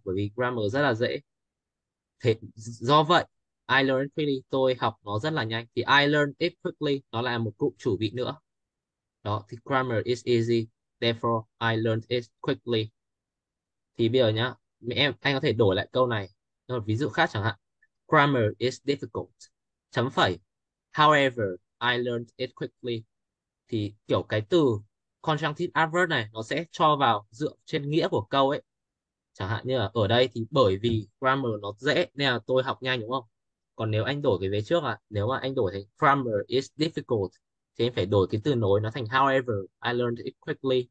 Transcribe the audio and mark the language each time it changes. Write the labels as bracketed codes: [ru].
[vi] Bởi vì grammar rất là dễ. Thế do vậy, [en] I learned quickly, [vi] tôi học nó rất là nhanh. Thì [en] I learned it quickly, [vi] nó là một cụm chủ vị nữa. Đó, thì [en] grammar is easy, therefore I learned it quickly. [vi] Thì bây giờ nhá, anh có thể đổi lại câu này Rồi, ví dụ khác chẳng hạn. [en] Grammar is difficult. [vi] Chấm phẩy. [en] However, I learned it quickly. [vi] Thì kiểu cái từ conjunctive adverb này nó sẽ cho vào dựa trên nghĩa của câu ấy. Chẳng hạn như là ở đây thì bởi vì grammar nó dễ nên là tôi học nhanh đúng không? Còn nếu anh đổi cái vế trước à, nếu mà anh đổi thành [en] grammar is difficult [vi] thì em phải đổi cái từ nối nó thành [en] however, I learned it quickly.